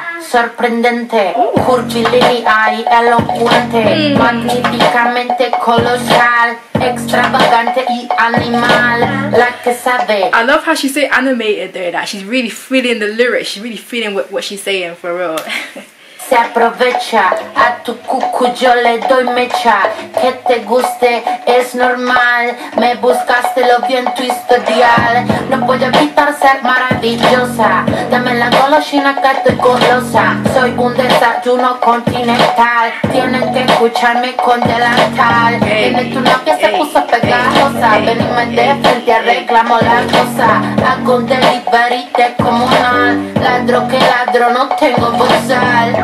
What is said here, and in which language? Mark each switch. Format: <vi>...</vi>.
<es>sorprendente, curvilínea y elocuente, magníficamente colosal, extravagante y animal, la que sabe.</es> <en>I love how she's so animated though, that she's really feeling the lyrics, she's really feeling what she's saying for real.</en> <es>Se aprovecha, a tu cucu yo le doy mecha, que te guste es normal, me buscaste lo bien tu historial, no puedo evitar ser maravillosa, dame la golosina que estoy golosa, soy un desayuno continental, tienen que escucharme con delantal, tiene tu novia se puso pegajosa, venime de frente arreglamos la cosa, hago un delivery de comunal, ladro que ladro no tengo bozal.</es>